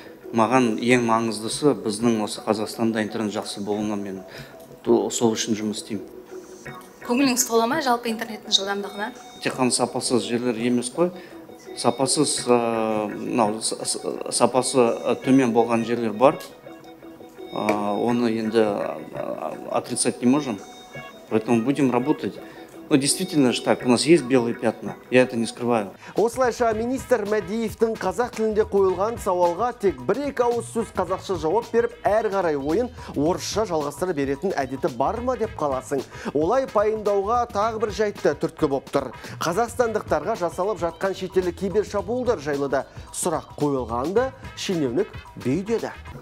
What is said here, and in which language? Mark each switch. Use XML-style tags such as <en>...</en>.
<kk>Маған ең маңыздысы біздің осы Қазақстанда интернет жақсы болуына мен сол үшін жұмыс істеймін. Көңіліңіз тола ма жалпы интернеттің жылдамдығына? Тек қана сапасыз жерлер емес қой. Сапасы төмен болған жерлер бар. Оны енді</kk> <ru>отрицать не можем. Поэтому будем работать. Но действительно же так, у нас есть белые пятна, я это не скрываю.</ru> <kk>Осылайша министр Мәдиевтің қазақ тілінде қойылған сауалға тек бір-екі ауыз сөз қазақша жауап беріп, әр қарай ойын орысша жалғастыра беретін әдеті бар ма деп қаласың. Олай пайымдауға тағы бір жайтты түрткі боп тұр. Қазақстандықтарға жасалып жатқан шетелі кибер шабуылдар жайлы да сұрақ қойылғанды шенеунік бейдеді.</kk>